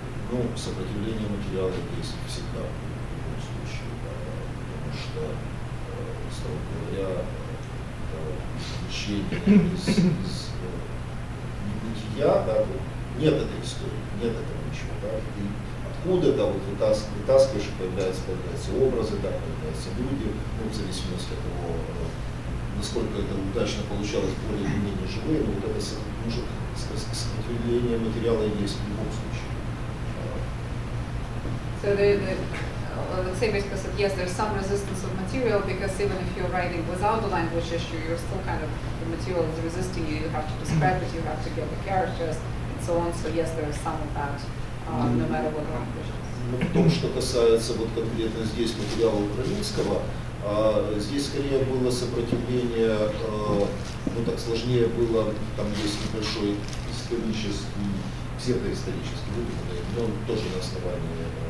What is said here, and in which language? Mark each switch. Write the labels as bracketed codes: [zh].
[ru] Ну, сопротивление материала есть всегда в любом случае, да, потому что, строго говоря, исключение из небытия, да, вот, нет этой истории, нет этого ничего, да, ты откуда-то вот вытаскиваешь, появляются образы, да, появляются люди, ну, в зависимости от того, насколько это удачно получалось, более или менее живые, но вот это сопротивление материала есть в любом случае. [en] So the basically said, yes, there's some resistance of material because even if you're writing without the language issue, you're still kind of, the material is resisting you, you have to describe it, you have to give the characters, and so on. So yes, there is some of that, no matter what language. [ru] В том, что касается вот конкретно здесь материала украинского, здесь скорее было сопротивление, ну так сложнее было, там есть небольшой исторический, псевдоисторический выдуманный, но он тоже на основании